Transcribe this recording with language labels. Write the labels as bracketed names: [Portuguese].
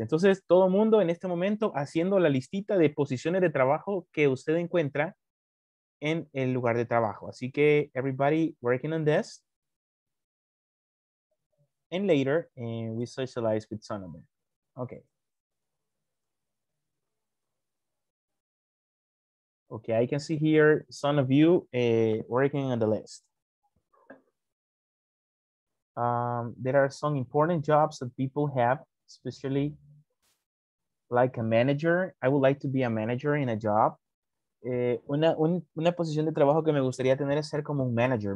[Spanish] Entonces, todo mundo en este momento haciendo la listita de posiciones de trabajo que usted encuentra en el lugar de trabajo. Así que, [English] everybody working on this. And later, we socialize with some of them. Okay. Okay, I can see here some of you working on the list. There are some important jobs that people have, especially like a manager. I would like to be a manager in a job. [Spanish] Una posición de trabajo que me gustaría tener es ser como un manager.